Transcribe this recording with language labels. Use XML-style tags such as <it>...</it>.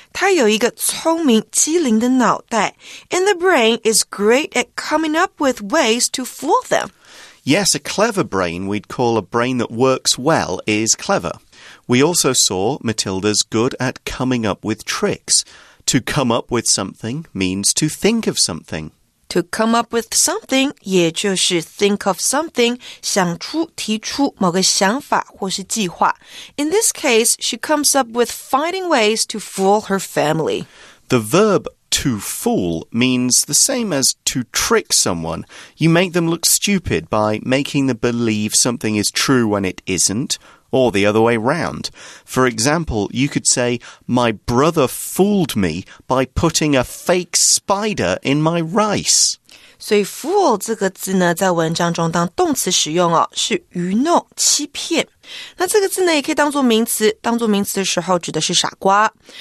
<zh>她有一个聪明、机灵的脑袋。</zh> <en>And the brain is great at coming up with ways to fool them. Yes, a clever brain, we'd call a brain that works well, is clever. We also saw Matilda's good at coming up with tricks. To come up with something means to think of something. To come up with something,</en> <zh>也就是</zh> <en>think of something,</en> <zh>想出提出某个想法或是计划。</zh> <en>In this case, she comes up with finding ways to fool her family. The verb to fool means the same as to trick someone. You make them look stupid by making them believe something is true when it isn't, or the other way round. For example, you could say, my brother fooled me by putting a fake spider in my rice.</en> <zh>所以 fool 这个字呢在文章中当动词使用哦，是愚弄、欺骗。那这个字呢也可以当作名词，当作名词的时候指的是傻瓜。</zh>